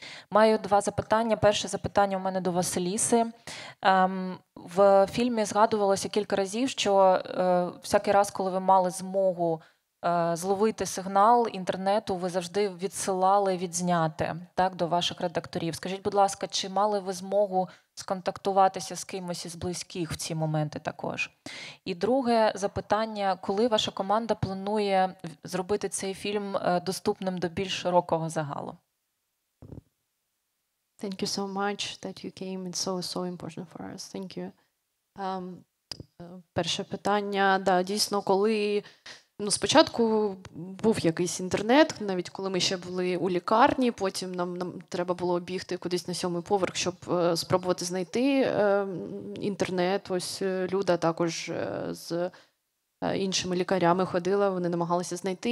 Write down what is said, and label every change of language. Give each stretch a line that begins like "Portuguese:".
Ukrainian: Маю два запитання. Перше запитання у мене до Василіси. В фільмі згадувалося кілька разів, що всякий раз, коли ви мали змогу зловити сигнал інтернету, ви завжди відсилали відзняти, так, до ваших редакторів. Скажіть, будь ласка, чи мали ви змогу сконтактуватися з кимось із близьких в ці моменти також? І друге запитання, коли ваша команда планує зробити цей фільм доступним до більш широкого загалу?
English: Thank you so much that you came. It's so, so important for us. Thank you.
Ukrainian: Перше питання, да, дійсно, коли, ну, спочатку був якийсь інтернет, навіть коли ми ще були у лікарні, потім нам треба було бігти кудись на сьомий поверх, щоб спробувати знайти інтернет. Ось Люда також з іншими лікарями ходила, вони намагалися знайти.